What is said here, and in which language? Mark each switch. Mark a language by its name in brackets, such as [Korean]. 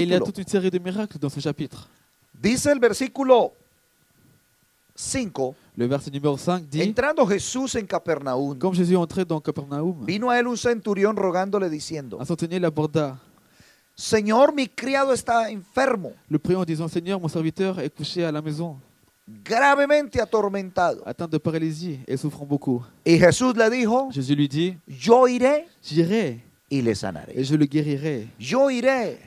[French] Et il y a toute une série de miracles dans ce chapitre. [Spanish] Dice el versículo 5. [French] Le verset numéro 5 dit. [Spanish] Entrando Jesús en Capernaum. [French] Comme Jésus entrait dans Capernaum. [Spanish] Vino a él un centurión rogándole diciendo. [French] Un centurión l'aborda. [Spanish] Señor, mi criado está enfermo. [French] Le priant disant, Seigneur, mon serviteur est couché à la maison. [Spanish] Gravemente atormentado. [French] Atteint de paralysie et souffrant beaucoup. [Spanish] Y Jesús le dijo. [French] Jésus lui dit. [Spanish] Yo iré. [French] J'irai. [Spanish] Y le sanaré. [French] Et je le guérirai. [Spanish] Yo iré.